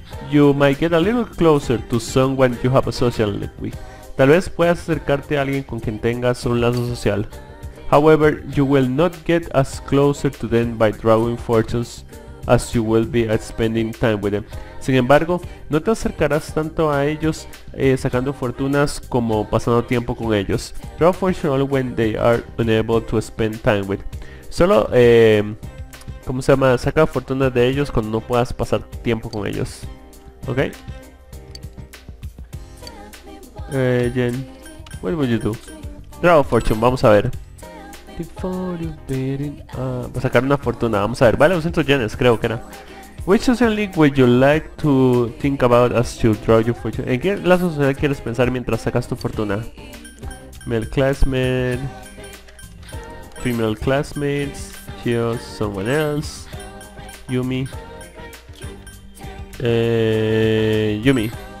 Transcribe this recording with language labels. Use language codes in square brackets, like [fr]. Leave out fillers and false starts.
[en] You might get a little closer to someone you have a social link with. [es] Tal vez puedas acercarte a alguien con quien tengas un lazo social. [en] However, you will not get as closer to them by drawing fortunes as you will be at spending time with them. [es] Sin embargo, no te acercarás tanto a ellos sacando fortunas como pasando tiempo con ellos. [en] Draw fortune only when they are unable to spend time with. [es] Solo, ¿cómo se llama? Saca fortunas de ellos cuando no puedas pasar tiempo con ellos. [en] ¿Ok? Jen, what would you do? Draw a fortune, [es] vamos a ver. Va a sacar una fortuna, vamos a ver. Vale, 200 yenes, creo que era. [en] Which social link would you like to think about as you draw your fortune? [es] ¿En qué lazo social quieres pensar mientras sacas tu fortuna? [en] Male classmate, female classmates, cheers, someone else, Yumi. Yumi.